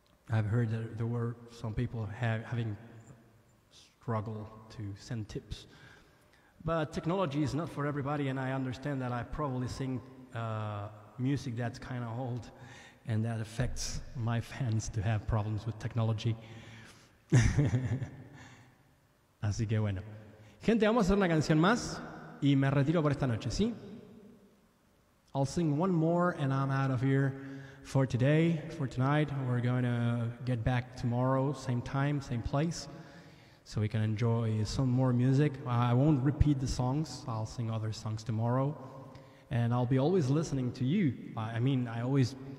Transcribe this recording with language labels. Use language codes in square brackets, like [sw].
[en] I've heard that there were some people having struggle to send tips. But technology is not for everybody, and I understand that I probably sing music that's kind of old, and that affects my fans to have problems with technology. [es] Así que bueno, gente, vamos a hacer una canción más y me retiro por esta noche, ¿sí? [en] I'll sing one more and I'm out of here for today, for tonight. We're going to get back tomorrow, same time, same place, so we can enjoy some more music. I won't repeat the songs, I'll sing other songs tomorrow. And I'll be always listening to you. I mean, I always...